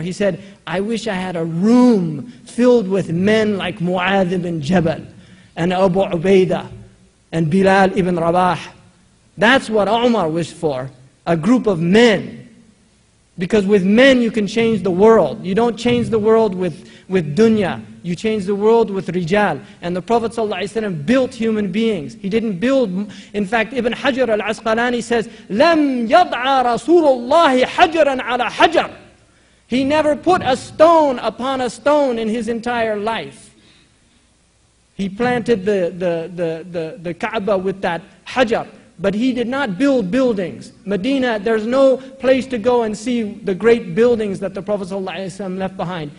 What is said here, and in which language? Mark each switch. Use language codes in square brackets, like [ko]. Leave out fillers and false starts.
[en] He said, I wish I had a room filled with men like Mu'adh ibn Jabal and Abu Ubaidah and Bilal ibn Rabah. That's what Umar wished for, a group of men. Because with men you can change the world. You don't change the world with dunya. You change the world with rijal. And the Prophet ﷺ built human beings. He didn't build... In fact, Ibn Hajar al-Asqalani says, [ar] لَمْ يَضْعَ رَسُولُ اللَّهِ حَجْرًا عَلَى حَجْرٍ. [en] He never put a stone upon a stone in his entire life. He planted the Kaaba with that hajar. But he did not build buildings. Medina, there's no place to go and see the great buildings that the Prophet ﷺ left behind.